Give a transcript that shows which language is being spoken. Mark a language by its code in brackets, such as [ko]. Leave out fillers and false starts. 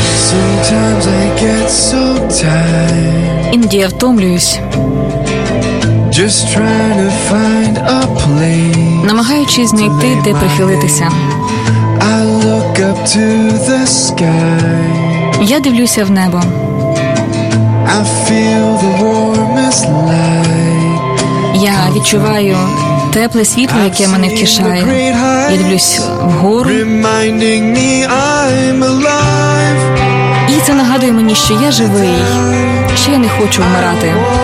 [en] Sometimes I get so tired. [uk] Іноді я втомлююсь. [en] Just trying to find a place. [uk] Намагаючись знайти, де прихилитися. [en] I look up to the sky. [uk] Я дивлюся в небо. [en] I feel the warmest light. [uk] Я відчуваю тепле світло, яке мене втішає. Я дивлюсь вгору. [en] Reminding me I'm alive. [uk] І це нагадує мені, що я живий, що я не хочу вмирати.